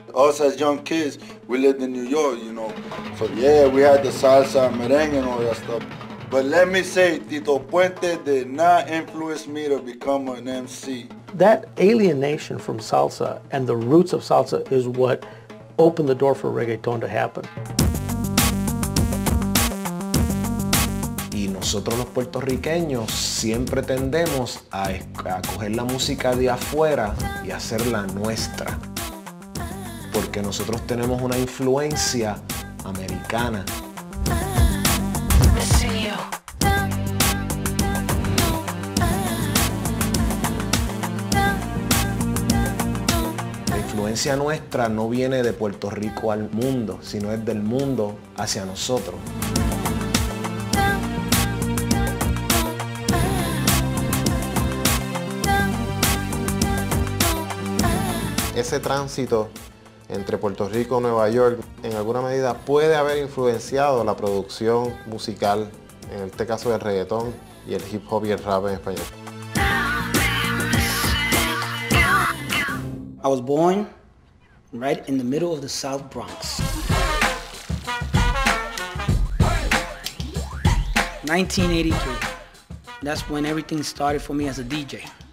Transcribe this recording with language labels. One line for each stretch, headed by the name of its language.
English: Us as young kids, we lived in New York, you know. So yeah, we had the salsa and merengue and all that stuff. But let me say, Tito Puente did not influence me to become an MC. That alienation from salsa and the roots of salsa is what opened the door for reggaeton to happen.
Spanish: Y nosotros los puertorriqueños siempre tendemos a coger la música de afuera y hacerla nuestra. Porque nosotros tenemos una influencia americana. La influencia nuestra no viene de Puerto Rico al mundo, sino es del mundo hacia nosotros. Ese tránsito entre Puerto Rico y Nueva York, en alguna medida, puede haber influenciado la producción musical, en este caso del reggaetón y el hip hop y el rap en español.
English: I was born right in the middle of the South Bronx. 1983. That's when everything started for me as a DJ.